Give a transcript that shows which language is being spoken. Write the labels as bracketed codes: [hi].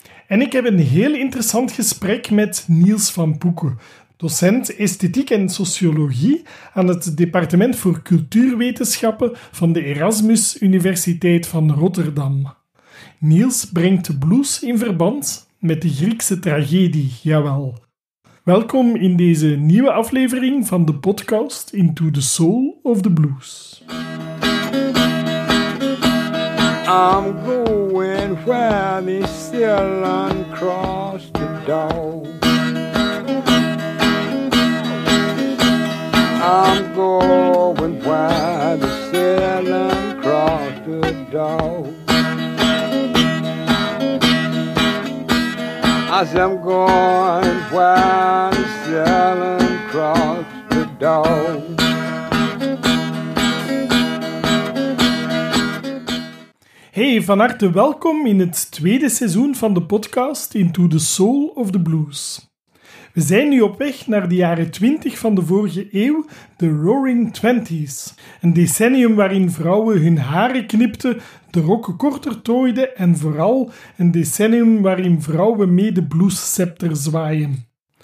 [nl] En ik heb een heel interessant gesprek met Niels van Poeken, docent esthetiek en sociologie aan het Departement voor Cultuurwetenschappen van de Erasmus Universiteit van Rotterdam. Niels brengt de blues in verband met de Griekse tragedie, jawel. Welkom in deze nieuwe aflevering van de podcast Into the Soul of the Blues. [en] I'm going where the Southern Cross the Dog. I'm going where the Southern Cross the Dog. I said I'm going where the Southern Cross the Dog. [nl] Hey, van harte welkom in het tweede seizoen van de podcast Into the Soul of the Blues. We zijn nu op weg naar de jaren 20 van de vorige eeuw, de Roaring Twenties. Een decennium waarin vrouwen hun haren knipten, de rokken korter tooiden en vooral een decennium waarin vrouwen mee de blues-scepter zwaaien.